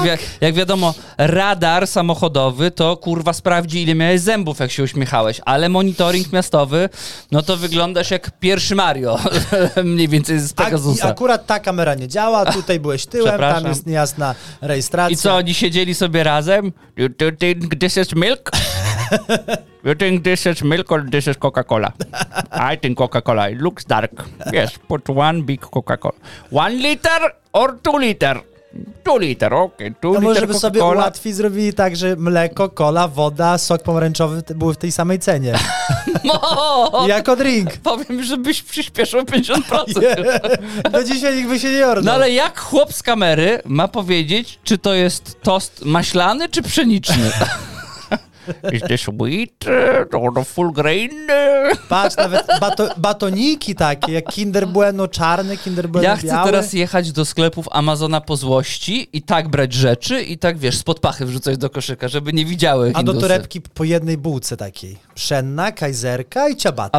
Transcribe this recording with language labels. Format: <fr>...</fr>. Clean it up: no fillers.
<pl>Gdzie jak wiadomo, radar samochodowy to kurwa sprawdzi, ile miałeś zębów, jak się uśmiechałeś, ale monitoring miastowy, no to wyglądasz jak pierwszy Mario, mniej więcej z Pegasusa. I akurat ta kamera nie działa, tutaj byłeś tyłem, tam jest niejasna rejestracja. I co, oni siedzieli sobie razem?</pl> <en>Do you think this is milk? You think this is milk or this is Coca-Cola? I think Coca-Cola. It looks dark. Yes, put one big Coca-Cola. 1 liter or 2 liter? 2 liter, okay.</en> <pl>To może by sobie łatwiej zrobili tak, że mleko, cola, woda, sok pomarańczowy były w tej samej cenie. Jako drink. Powiem, żebyś przyspieszył 50%. Do dzisiaj nikt by się nie ordał. No ale jak chłop z kamery ma powiedzieć, czy to jest tost maślany czy pszeniczny?</pl> <en>Is this wheat or full grain?</en> <pl>Patrz, nawet batoniki takie, jak Kinder Bueno czarny, Kinder Bueno biały. Ja chcę teraz jechać do sklepów Amazona po złości i tak brać rzeczy i tak, wiesz, spod pachy wrzucać do koszyka, żeby nie widziały indusy. A do torebki po jednej bułce takiej. Pszenna, kajzerka i ciabata.</pl>